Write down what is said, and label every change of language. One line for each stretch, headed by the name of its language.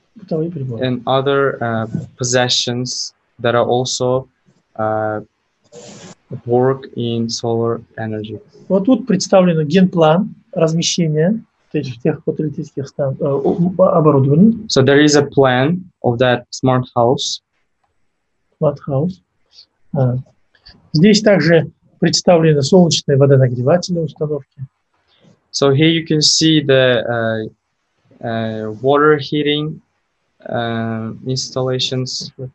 English: And other possessions that are also work in solar energy.
Russian: Вот тут представлен генплан размещения тех фотоэлектрических оборудований.
English: So there is a plan of that smart house. Smart house.
Russian: Здесь также представлены солнечные водонагреватели установки.
English: So here you can see the water heating installations.